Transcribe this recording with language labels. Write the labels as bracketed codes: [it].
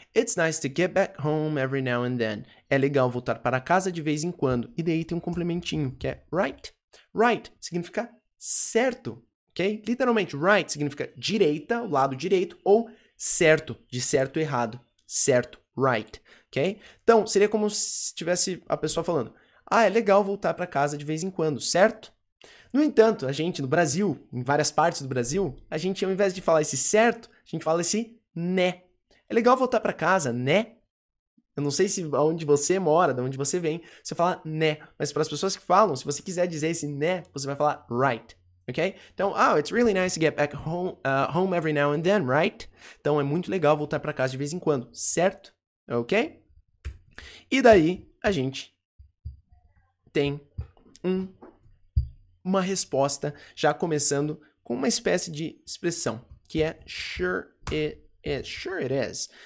[en] It's nice to get back home every now and then. [pt] É legal voltar para casa de vez em quando. E daí tem um complementinho, que é right. Right significa certo, ok? Literalmente, right significa direita, o lado direito, ou certo, de certo ou errado, certo, Right, ok? Então, seria como se tivesse a pessoa falando: ah, é legal voltar para casa de vez em quando, certo? No entanto, a gente no Brasil, em várias partes do Brasil, a gente ao invés de falar esse certo, a gente fala esse né. É legal voltar para casa, né? Eu não sei se aonde você mora, de onde você vem, você fala né. Mas para as pessoas que falam, se você quiser dizer esse né, você vai falar right, ok? [en] Então, oh, it's really nice to get back home every now and then, right? [pt] Então, é muito legal voltar para casa de vez em quando, certo? Ok? E daí a gente tem uma resposta já começando com uma espécie de expressão, que é sure it is. Sure it is.